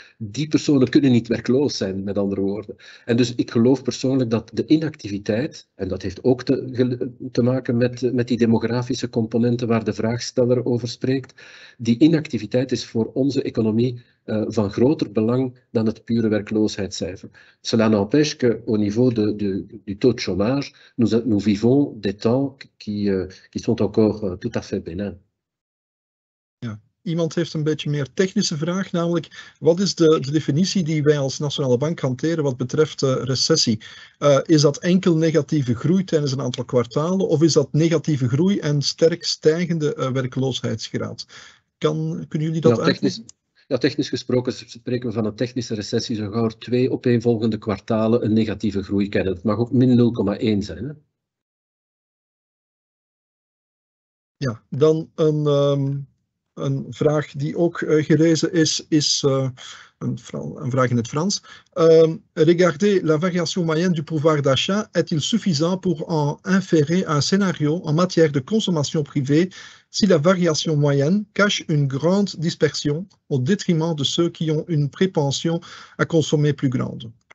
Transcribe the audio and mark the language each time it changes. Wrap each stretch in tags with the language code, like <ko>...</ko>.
<nl>Die personen kunnen niet werkloos zijn, met andere woorden. En dus ik geloof persoonlijk dat de inactiviteit, en dat heeft ook te maken met die demografische componenten waar de vraagsteller over spreekt, die inactiviteit is voor onze economie van groter belang dan het pure werkloosheidscijfer.</nl> <fr>Cela n'empêche qu'au niveau du taux de chômage, nous vivons des temps qui sont encore tout à fait bénins.</fr> <nl>Iemand heeft een beetje meer technische vraag, namelijk wat is de definitie die wij als Nationale Bank hanteren wat betreft recessie? Is dat enkel negatieve groei tijdens een aantal kwartalen of is dat negatieve groei en sterk stijgende werkloosheidsgraad? Kunnen jullie dat uitleggen? Ja, technisch gesproken spreken we van een technische recessie zo gauw twee opeenvolgende kwartalen een negatieve groei kennen. Het mag ook min 0,1 zijn, hè? Ja, dan een vraag die ook gerezen is, is een vraag in het Frans.</nl> <fr>Regardez la variation moyenne du pouvoir d'achat, est-il suffisant pour en inférer un scénario en matière de consommation privée si la variation moyenne cache une grande dispersion au détriment de ceux qui ont une propension à consommer plus grande?</fr>